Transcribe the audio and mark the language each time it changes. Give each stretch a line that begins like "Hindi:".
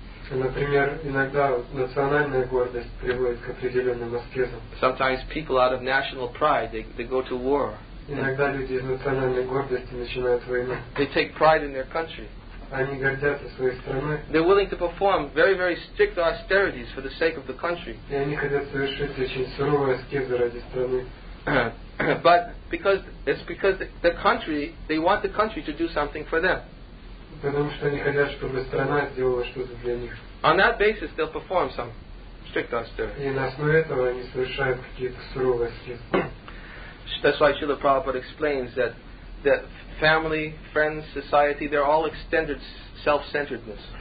Russian: Например, иногда национальная гордость приводит к определенным аскезам.
English: Sometimes people out of national pride, they go to war.
Russian: Иногда люди из национальной гордости начинают войну.
English: They take pride in their country.
Russian: Они гордятся своей страной.
English: They're willing to perform very, very strict austerities for the sake of the country.
Russian: И они хотят совершить очень суровые аскезы ради страны.
English: But because it's because the country, they want the country to do something for them.
Russian: Потому что они хотят, чтобы страна сделала что-то для них.
English: On that basis, they'll perform some strict austerity.
Russian: И на основе этого они совершают какие-то суровые аскезы.
English: That's why Srila Prabhupada explains that family, friends, society, they're all extended self-centeredness.